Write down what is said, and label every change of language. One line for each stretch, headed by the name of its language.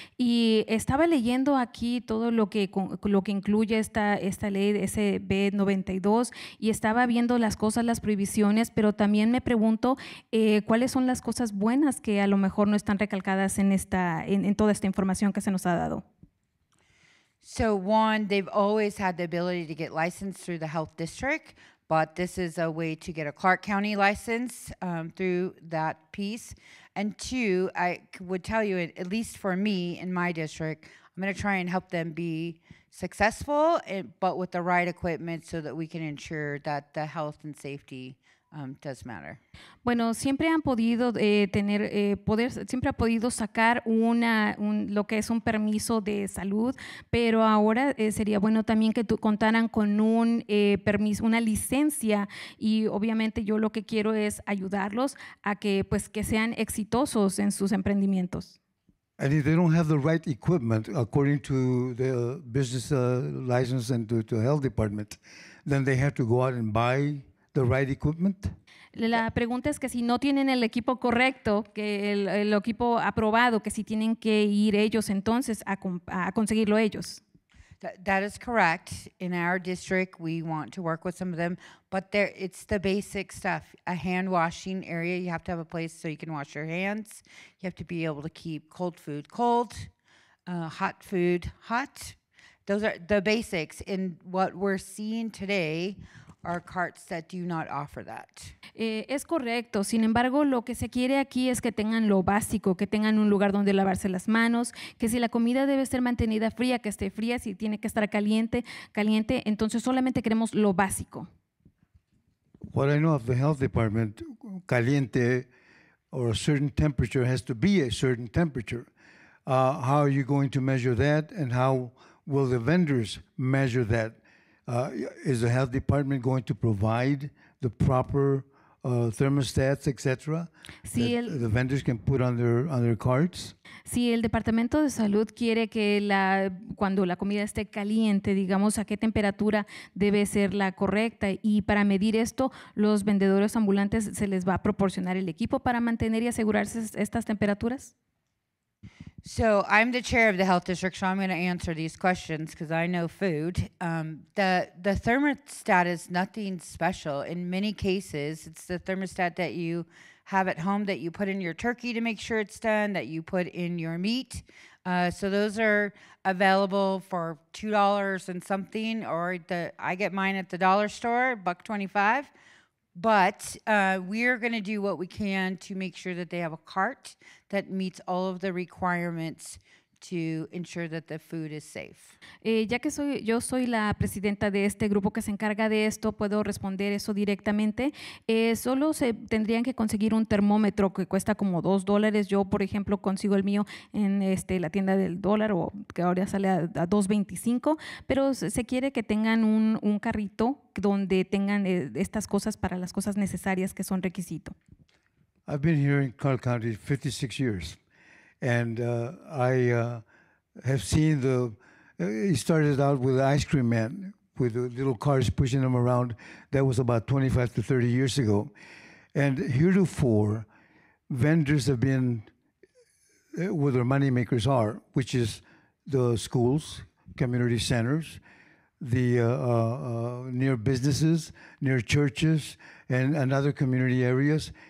Spanish: Y estaba leyendo aquí todo lo que incluye esta ley SB92 y estaba viendo las cosas, las prohibiciones, pero también me pregunto cuáles son las cosas buenas que a lo mejor no están recalcadas en toda esta información que se nos ha dado.
English: So one, they've always had the ability to get licensed through the health district, but this is a way to get a Clark County license through that piece. And two, I would tell you, at least for me in my district, I'm gonna try and help them be successful, but with the right equipment so that we can ensure that the health and safety does matter.
Spanish: Bueno, siempre han podido siempre ha podido sacar lo que es un permiso de salud, pero ahora sería bueno también que contaran con un permiso, una licencia, y obviamente yo lo que quiero es ayudarlos a que sean exitosos en sus emprendimientos.
English: And if they don't have the right equipment, according to the business license and to health department, then they have to go out and buy the right equipment?
Spanish: La pregunta es que si no tienen el equipo correcto, que el equipo aprobado, que si tienen que ir ellos entonces a conseguirlo ellos.
English: That is correct. In our district, we want to work with some of them, but it's the basic stuff. A hand washing area, you have to have a place so you can wash your hands. You have to be able to keep cold food cold, hot food hot. Those are the basics. And what we're seeing today are carts that do not offer that.
Spanish: Es correcto. Sin embargo, lo que se quiere aquí es que tengan lo básico, que tengan un lugar donde lavarse las manos, que si la comida debe ser mantenida fría, que esté fría, si tiene que estar caliente, caliente. Entonces, solamente queremos lo básico.
English: What I know of the health department, caliente or a certain temperature has to be a certain temperature. How are you going to measure that, and how will the vendors measure that? Is the health department going to provide the proper thermostats, etc.,
Spanish: si
English: that the vendors can put on their carts?
Spanish: Si el departamento de salud quiere que la cuando la comida esté caliente, digamos, a qué temperatura debe ser la correcta, y para medir esto, los vendedores ambulantes se les va a proporcionar el equipo para mantener y asegurarse estas temperaturas.
English: So I'm the chair of the health district, so I'm going to answer these questions because I know food. The thermostat is nothing special. In many cases, it's the thermostat that you have at home that you put in your turkey to make sure it's done, that you put in your meat. So those are available for $2 and something, or I get mine at the dollar store, $1.25. But we are going to do what we can to make sure that they have a cart that meets all of the requirements to ensure that the food is safe.
Spanish: Ya que yo soy la presidenta de este grupo que se encarga de esto, puedo responder eso directamente. Solo se tendrían que conseguir un termómetro que cuesta como $2. Yo, por ejemplo, consigo el mío en la tienda del dólar, o que ahora sale a $2.25. Pero se quiere que tengan un carrito donde tengan estas cosas para las cosas necesarias que son requisito.
English: I've been here in Clark County 56 years. And I have seen it started out with ice cream men with the little cars pushing them around. That was about 25 to 30 years ago. And heretofore, vendors have been where their money makers are, which is the schools, community centers, the near businesses, near churches, and other community areas.